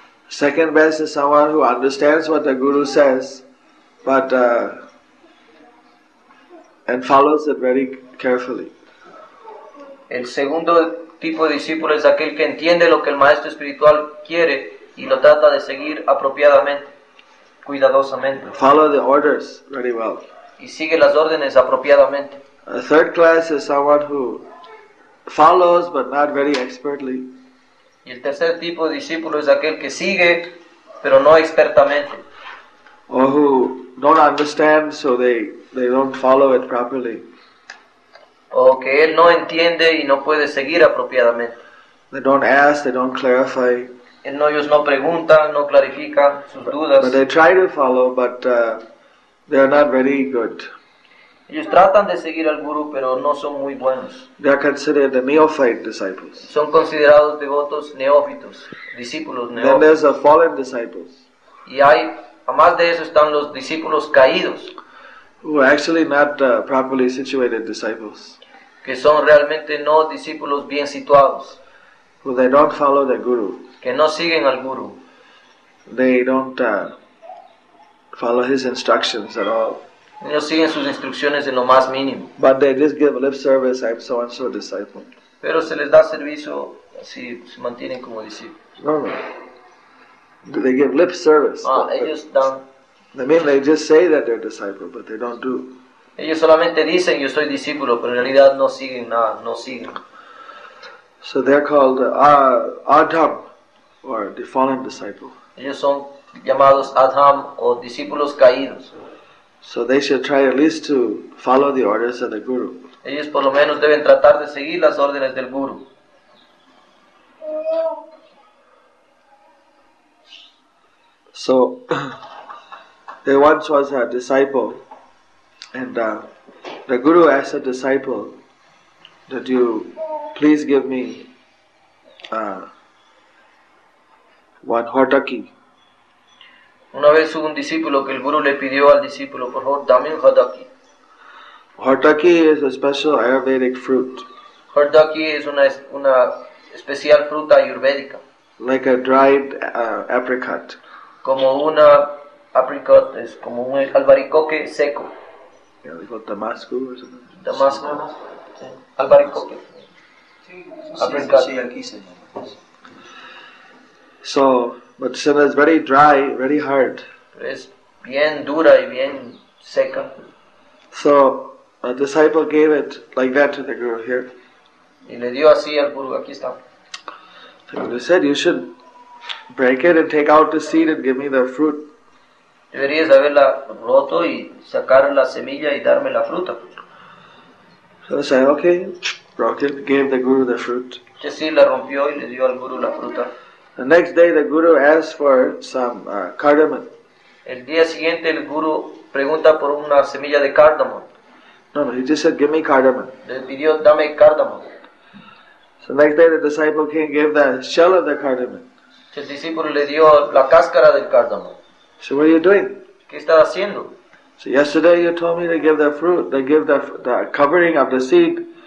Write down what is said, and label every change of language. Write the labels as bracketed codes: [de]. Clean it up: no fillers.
[en] Second best is someone who understands what the guru says, but and follows it very carefully. [es] El segundo tipo de discípulo es aquel que entiende lo que el maestro espiritual quiere y lo trata de seguir apropiadamente, cuidadosamente. [en] Follow the orders very well. [es] Y sigue las órdenes apropiadamente. [en] A third class is someone who follows but not very expertly. [es] Y el tercer tipo de discípulo es aquel que sigue, pero no expertamente. [en] Or who don't understand, so they don't follow it properly. [es] O que él no entiende y no puede seguir apropiadamente. [en] They don't ask, they don't clarify. [es] Él no, ellos no preguntan, no clarifican sus dudas. [en] But they try to follow, but they are not very good. [es] Ellos tratan de seguir al Guru, pero no son muy buenos. [en] They are considered the neophyte disciples. [es] Son considerados devotos neófitos, discípulos neófitos. [en] Then there's the fallen disciples. [es] Y hay, además de eso, están los discípulos caídos. [en] Who are actually not properly situated disciples. [es] Que son realmente no discípulos bien situados. [en] Who they don't follow the Guru. [es] Que no siguen al Guru. [en] They don't follow his instructions at all. [es] Ellos siguen sus instrucciones en lo más mínimo. [en] But they just give lip service, I'm so and so disciple. [es] Pero se les da servicio si se mantienen como discípulos. [en] No, no. They give lip service. [es] Ellos dan. [en] I mean, they just say that they're disciples, but they don't do. [es] Ellos solamente dicen yo soy discípulo, pero en realidad no siguen nada, no siguen. [en] So they're called Adham, or the fallen disciple. [es] Ellos son llamados Adham o discípulos caídos. [en] So they should try at least to follow the orders of the Guru. [es] Ellos por lo menos deben tratar de seguir las órdenes del Guru. [en] So there once was a disciple, and the Guru asked the disciple that you please give me one hotaki. [es] Una vez hubo un discípulo que el Guru le pidió al discípulo, por favor, dame un hotaki. [en] Hotaki is a special Ayurvedic fruit. [es] Hotaki es una especial fruta ayurvédica. [en] Like a dried apricot. [es] Como una apricot, es como un albaricoque seco. [en] Yeah, they call Damasco or something. [es] Damasco. Yeah. Albaricoque. [en] Apricot. So, but Sena is very dry, very hard. [es] Es bien dura y bien seca. [en] So, a disciple gave it like that to the Guru here. [es] Y le dio así al Guru, aquí está. [en] The Guru said, you should break it and take out the seed and give me the fruit. [es] Deberías haberla roto y sacar la semilla y darme la fruta. [en] So he said, okay, broke it, gave the Guru the fruit. [es] Sí, la rompió y le dio al Guru la fruta. [en] The next day the Guru asked for some cardamom. [es] El día siguiente el Guru pregunta por una semilla de cardamom. [en] No, no, he just said, give me cardamom. [es] Le pidió, dame cardamom. [en] So the next day the disciple came, gave the shell of the cardamom. [es] El discípulo le dio la cáscara del cardamom. [en] So what are you doing? [es] ¿Qué estás haciendo? [en] So yesterday you told me to give the fruit, to give the covering of the seed.